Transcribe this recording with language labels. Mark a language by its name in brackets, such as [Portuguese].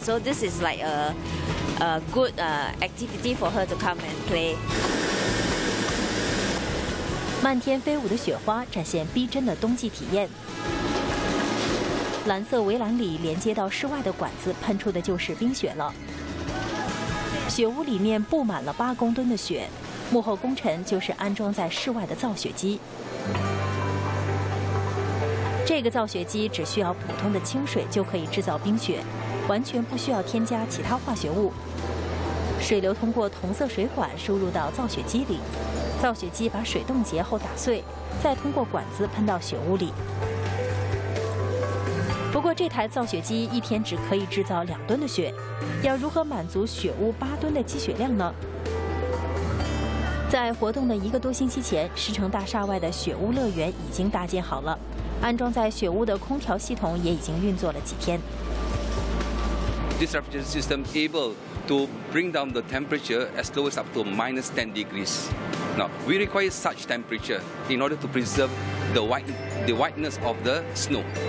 [English] So this is like a good activity for her to come and play. [Chinese] 漫天飞舞的雪花展现逼真的冬季体验，蓝色围栏里连接到室外的管子喷出的就是冰雪了。雪屋里面布满了8公吨的雪，幕后工程就是安装在室外的造雪机。这个造雪机只需要普通的清水就可以制造冰雪，完全不需要添加其他化学物。水流通过铜色水管输入到造雪机里，造雪机把水冻结后打碎，再通过管子喷到雪屋里。不过这台造雪机一天只可以制造2吨的雪，要如何满足雪屋8吨的积雪量呢？在活动的一个多星期前，狮城大厦外的雪屋乐园已经搭建好了，安装在雪屋的空调系统也已经运作了几天。 [English] This refrigeration system able to bring down the temperature as low as up to -10°C. Now, we require such temperature in order to preserve the whiteness of the snow.